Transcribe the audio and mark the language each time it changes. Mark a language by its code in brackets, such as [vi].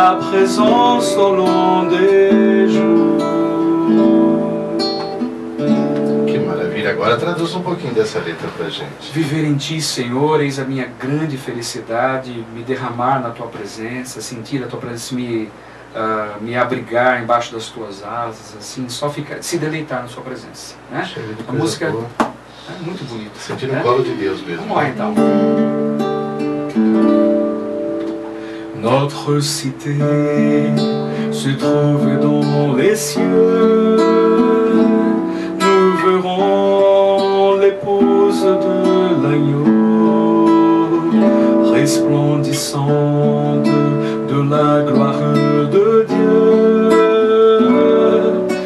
[fr] Présence au long des jours. [pt] Que maravilha! Agora traduz um pouquinho dessa letra pra gente. Viver em ti, Senhor, eis a minha grande felicidade, me derramar na tua presença, sentir a tua presença, me abrigar embaixo das tuas asas, assim, só ficar, se deleitar na sua presença. Né? A música boa. É muito bonita. Sentir o colo de Deus mesmo. Vamos lá então. [fr] Notre cité se trouve dans les cieux. Nous verrons l'épouse de l'agneau, resplendissante de la gloire de Dieu.